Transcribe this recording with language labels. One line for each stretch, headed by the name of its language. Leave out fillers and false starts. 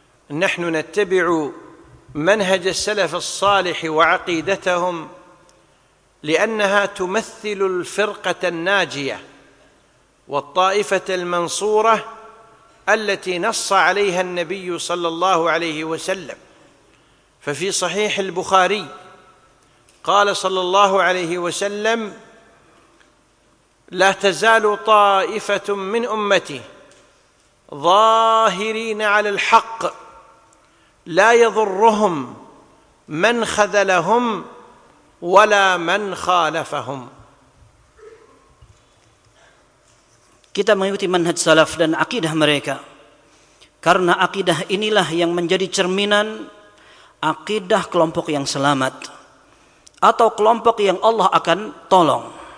Arabic: Nahnu nattabi'u manhaj as-salaf as-salih wa aqidatahum li'annaha tumathilu al-firqata an-najiyah wat-ta'ifata al-mansurah التي نص عليها النبي صلى الله عليه وسلم. ففي صحيح البخاري قال صلى الله عليه وسلم لا تزال طائفة من أمتي ظاهرين على الحق لا يضرهم من خذلهم ولا من خالفهم.
Indonesian: Kita mengikuti manhaj salaf dan akidah mereka, karena akidah inilah yang menjadi cerminan akidah kelompok yang selamat atau kelompok yang Allah akan tolong.